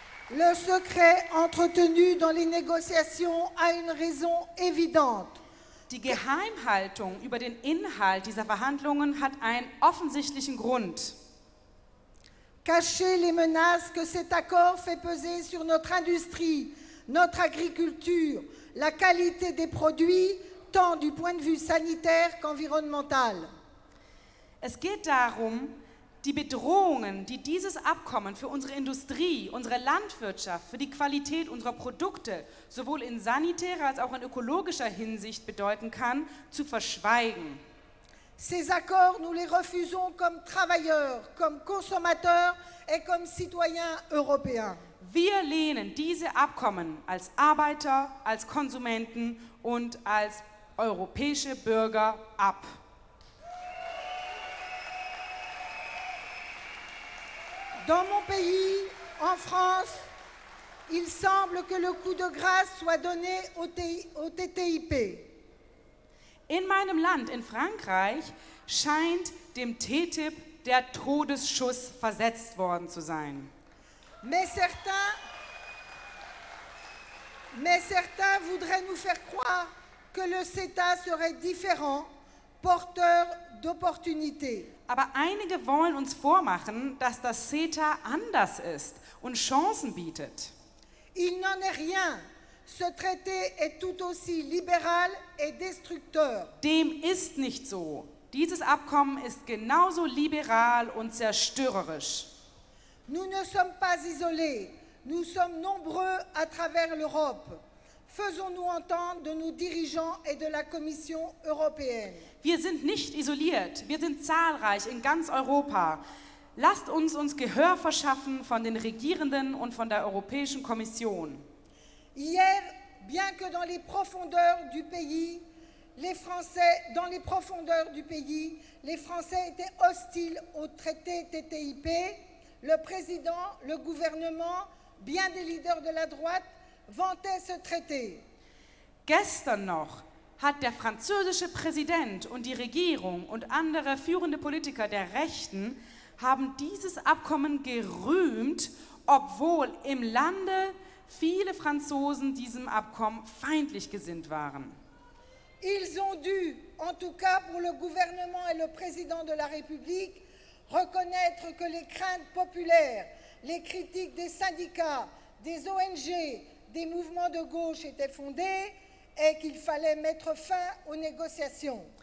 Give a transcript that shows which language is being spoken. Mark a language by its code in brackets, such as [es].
[fr] Le secret entretenu dans les négociations a une raison évidente. [de] Die Geheimhaltung über den Inhalt dieser Verhandlungen hat einen offensichtlichen Grund. [fr] Cacher les menaces que cet accord fait peser sur notre industrie, notre agriculture, la qualité des produits, tant du point de vue sanitaire qu'environnemental. [de] Es geht darum, die Bedrohungen, die dieses Abkommen für unsere Industrie, unsere Landwirtschaft, für die Qualität unserer Produkte, sowohl in sanitärer als auch in ökologischer Hinsicht bedeuten kann, zu verschweigen. [fr] Ces accords, nous les refusons comme travailleurs, comme consommateurs et comme citoyens européens. [de] Wir lehnen diese Abkommen als Arbeiter, als Konsumenten und als europäische Bürger ab. [fr] Dans mon pays, en France, il semble que le coup de grâce soit donné au TTIP. [de] In meinem Land, in Frankreich, scheint dem TTIP der Todesschuss versetzt worden zu sein. [fr] Mais certains voudraient nous faire croire que le CETA serait différent, porteur d'opportunités. [de] Aber einige wollen uns vormachen, dass das CETA anders ist und Chancen bietet. [fr] Il n'en est rien. Ce traité est tout aussi libéral et destructeur. [de] Dem ist nicht so. Dieses Abkommen ist genauso liberal und zerstörerisch. [fr] Nous ne sommes pas isolés. Nous sommes nombreux à travers l'Europe. Faisons-nous entendre de nos dirigeants et de la Commission européenne. [de] Wir sind nicht isoliert. Wir sind zahlreich in ganz Europa. Lasst uns Gehör verschaffen von den Regierenden und von der Europäischen Kommission. [fr] Hier, bien que dans les profondeurs du pays, les Français, dans les profondeurs du pays, les Français étaient hostiles au traité TTIP. Le président, le gouvernement, bien des leaders de la droite vantaient ce traité. [de] Gestern noch hat der französische Präsident und die Regierung und andere führende Politiker der Rechten haben dieses Abkommen gerühmt, obwohl im Lande viele Franzosen diesem Abkommen feindlich gesinnt waren. [fr] Ils ont dû, en tout cas pour le gouvernement et le président de la République, reconnaître que les craintes populaires, les critiques des syndicats, des ONG, des mouvements de gauche étaient fondées et qu'il fallait mettre fin aux négociations.